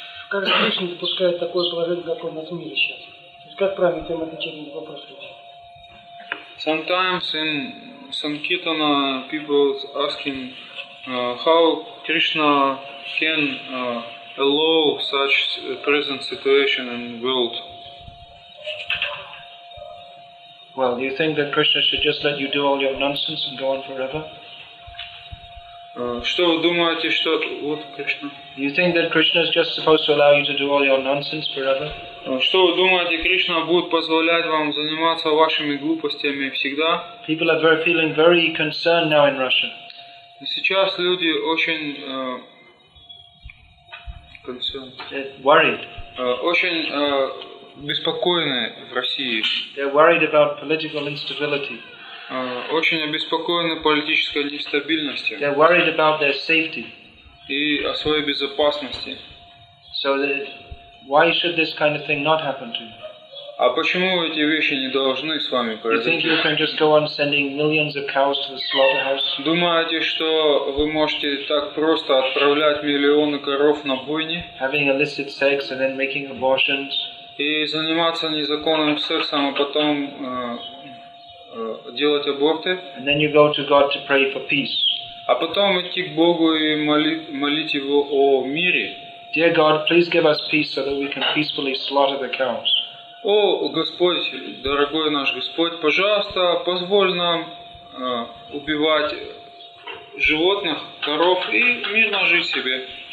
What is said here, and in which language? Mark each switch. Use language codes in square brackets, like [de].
[ru] Как Кришна допускает такое положение, как у нас в мире сейчас? Как правильно тем отвечать на вопрос? [en] Sometimes in Sankirtana people asking how Krishna can allow such present situation in world. Well, do you think that Krishna should just let you do all your nonsense and go on forever? [ru] Что вы думаете, что вот Кришна? [en] Do you think that Krishna is just supposed to allow you to do all your nonsense forever? [ru] Что вы думаете, Кришна будет позволять вам заниматься вашими глупостями всегда? [en] People are very feeling very concerned now in Russia. [ru] Сейчас люди очень concerned. [en] They're worried. [ru] Очень беспокоены в России. [en] They're worried about political instability. [ru] Очень обеспокоены политической нестабильностью. [en] They're worried about their safety. [ru] И о своей безопасности. [en] So that why should this kind of thing not happen to you? [ru] А почему эти вещи не должны с вами произойти? [en] You think you can just go on sending millions of cows to the slaughterhouse? [ru] Думаете, что вы можете так просто отправлять миллионы коров на бойни? [en] Having illicit sex and then making abortions? [ru] И заниматься незаконным сексом, а потом делать аборты? [en] And then you go to God to pray for peace. [ru] А потом идти к Богу и молить его о мире. [en] Dear God, please give us peace so that we can peacefully slaughter the cows. [ru] О, Господь, дорогой наш Господь, пожалуйста, позволь нам убивать животных, коров и мирно жить себе.